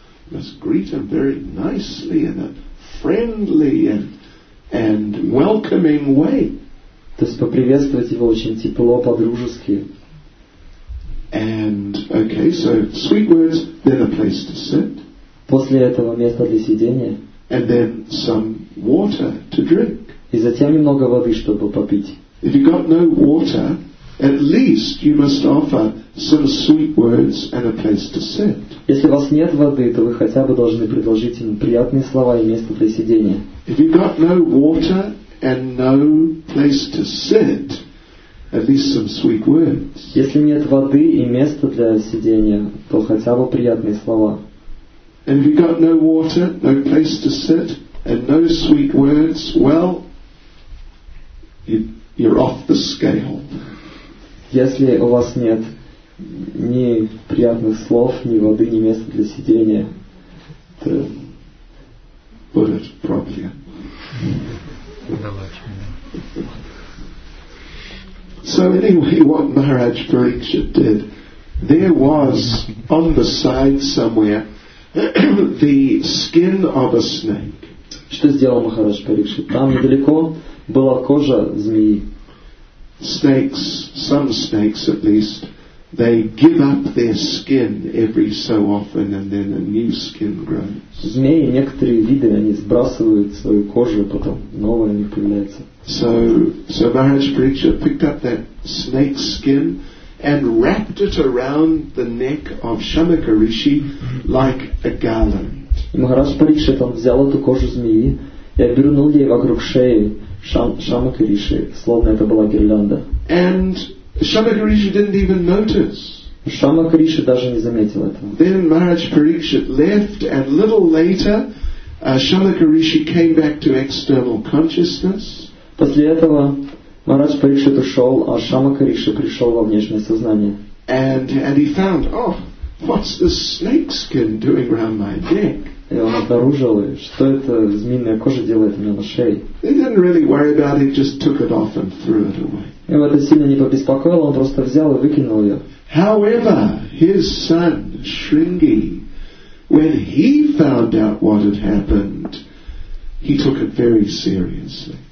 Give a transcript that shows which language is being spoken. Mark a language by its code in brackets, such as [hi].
[en] Must greet him very nicely in a friendly and welcoming way. [ru] То есть поприветствовать его очень тепло, по-дружески. [en] And okay, so sweet words, then a place to sit. [ru] После этого место для сидения. [en] And then some water to drink. [ru] И затем немного воды, чтобы попить. [en] If you've got no water, at least you must offer some sweet words and a place to sit. [ru] Если у вас нет воды, то вы хотя бы должны предложить ему приятные слова и место для сидения. [en] If you've got no water and no place to sit, at least some sweet words. [ru] Если нет воды и места для сидения, то хотя бы приятные слова. [en] And if you've got no water, no place to sit, and no sweet words, well, you're off the scale. [ru] Если у вас нет ни приятных слов, ни воды, ни места для сидения, то... [en] Put it properly. So anyway, what Maharaj Parikshit did, there was on the side somewhere the skin of a snake. [ru] Что сделал Махарадж Парикшит? Там недалеко была кожа змеи. [en] Snakes, some snakes at least, they give up their skin every so often, and then a new skin grows. [ru] Змеи, некоторые виды, они сбрасывают свою кожу, потом новая у них появляется. [en] So Maharaj Parikshit picked up that snake skin and wrapped it around the neck of Shamaka Rishi like a garland. [ru] Maharaj Parikshit взял эту кожу змеи и обернул ей вокруг шеи Шамака Риши, словно это была гирлянда. [en] And Shamaka Rishi didn't even notice. [ru] Шамака Риши даже не заметил этого. [en] Then Maharaj Parikshit left, and little later, Shamaka Rishi came back to external consciousness. [ru] После этого Махарадж Парикшит ушел, а Шамака Риши пришел во внешнее сознание. [en] And he found, oh, what's the snake skin doing around my neck? [ru] И он обнаружил, что это змеиная кожа делает у меня на шее. [en] He didn't really worry about it, just took it off and threw it away. [ru] И его это сильно не побеспокоило, он просто взял и выкинул ее. [en] However, his son Шринги, when he found out what had happened, he took it very seriously.